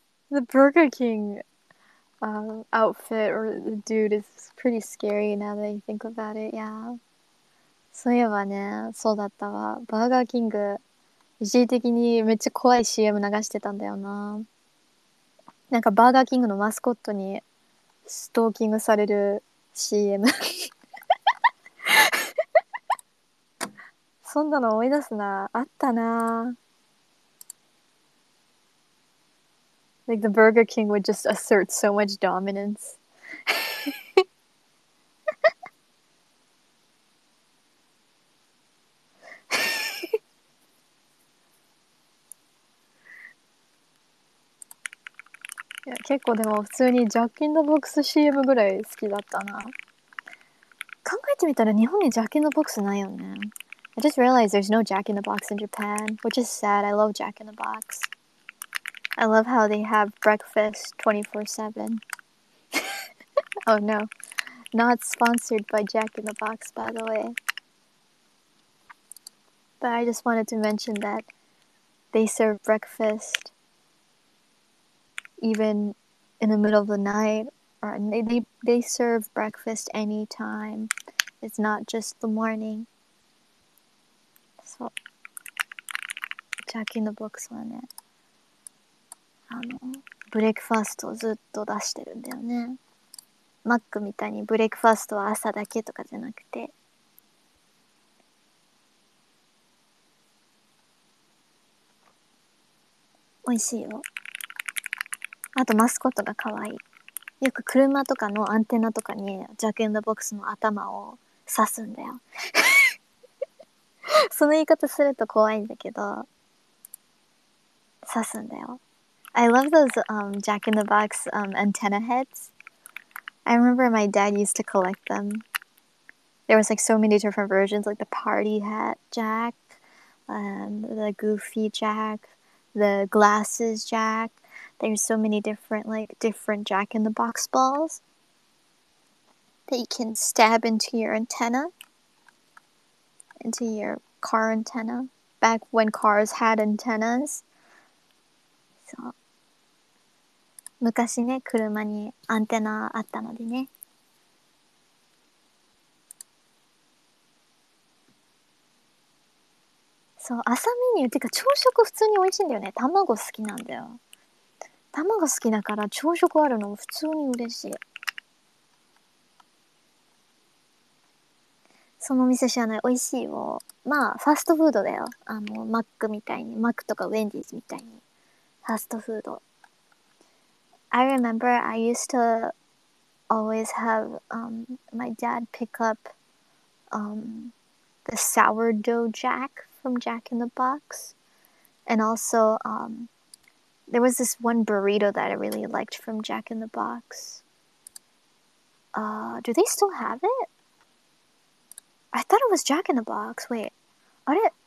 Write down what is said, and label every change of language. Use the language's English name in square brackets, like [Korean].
[English] The Burger King outfit or the dude is pretty scary now that you think about it. Yeah. [Japanese] そういえばね、そうだったわ。バーガーキング。一時的にめっちゃ怖い CM 流してたんだよな。なんかバーガーキングのマスコットにストーキングされる CM。そんなの思い出すな。あったな。 [English] Like the Burger King would just assert so much dominance. [Japanese] いや、結構でも普通にジャック・イン・ザ・ボックス CM ぐらい好きだったな。考えてみたら日本にジャック・イン・ザ・ボックスないよね。 [English] I just realized there's no Jack in the Box in Japan, which is sad. I love Jack in the Box. I love how they have breakfast 24/7. Oh no. Not sponsored by Jack in the Box, by the way. But I just wanted to mention that they serve breakfast. Even in the middle of the night, or they serve breakfast anytime. It's not just the morning. [Japanese] So, Jack in the Box はね、ブレックファーストをずっと出してるんだよね。マックみたいにブレックファーストは朝だけとかじゃなくて。美味しいよ。あとマスコットが可愛い。よく車とかのアンテナとかにジャック・イン・ザ・ボックスの頭を刺すんだよ。その言い方すると怖いんだけど、刺すんだよ。 [English] I love those Jack in the Box antenna heads. I remember my dad used to collect them. There was like so many different versions, like the party hat Jack, the goofy Jack, the glasses Jack. There's so many different jack-in-the-box balls that you can stab into your antenna, into your car antenna. back when cars had antennas. [Japanese] そう。昔ね、車にアンテナあったのでね。そう、朝メニューってか朝食普通に美味しいんだよね。卵好きなんだよ。卵好きだから朝食あるのも普通に嬉しい。その店知らない、美味しいよ。まあファストフードだよ。あのマックみたいに、マックとかウェンディーズみたいにファストフード。 [English] I remember I used to always have、my dad pick up、the sourdough jack from Jack in the Box and also、there was this one burrito that I really liked from Jack in the Box、do they still have itI thought it was Jack in the Box. Wait. Are it?